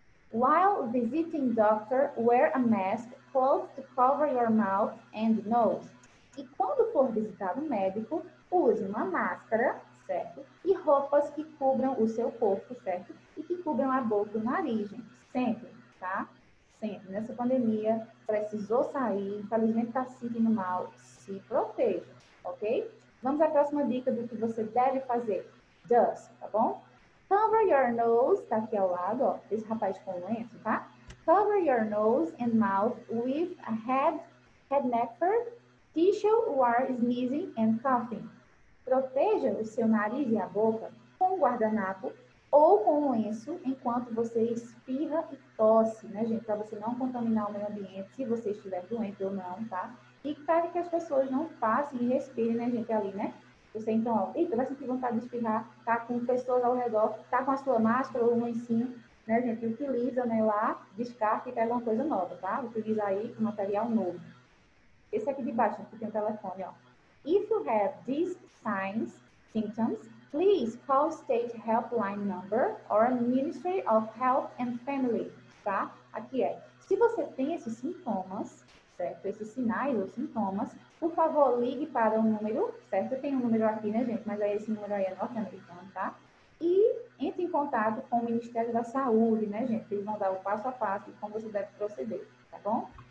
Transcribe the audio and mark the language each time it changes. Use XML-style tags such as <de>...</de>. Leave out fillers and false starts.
<en>While visiting doctor, wear a mask close to cover your mouth and nose.</en> <pt>E quando for visitar o médico, use uma máscara, certo? E roupas que cubram o seu corpo, certo? E que cubram a boca e o nariz, gente. Sempre, tá? Sempre. Nessa pandemia, precisou sair, infelizmente tá sentindo mal, se proteja. Ok? Vamos à próxima dica do que você deve fazer. Does, tá bom?</pt> <en>Cover your nose,</en> <pt>tá aqui ao lado, ó, esse rapaz com lenço, tá?</pt> <en>Cover your nose and mouth with a head neck, tissue while sneezing and coughing.</en> <pt>Proteja o seu nariz e a boca com guardanapo ou com lenço enquanto você espirra e tosse, né, gente? Pra você não contaminar o meio ambiente, se você estiver doente ou não, tá? E para que as pessoas não passem e respirem, né, gente, ali, né? Você, então, ó, eita, vai sentir vontade de espirrar, tá com pessoas ao redor, tá com a sua máscara ou um lencinho, né, gente? Utiliza, né, lá, descarta e pega uma coisa nova, tá? Utiliza aí um material novo. Esse aqui de baixo, que tem o telefone, ó.</pt> <en>If you have these signs, symptoms, please call state helpline number or Ministry of Health and Family, tá?</en> <pt>Aqui é, se você tem esses sintomas, certo? Esses sinais ou sintomas, por favor, ligue para o número, certo? Tem um número aqui, né, gente? Mas aí esse número aí é norte-americano, tá? E entre em contato com o Ministério da Saúde, né, gente? Eles vão dar o passo a passo de como você deve proceder, tá bom?</pt>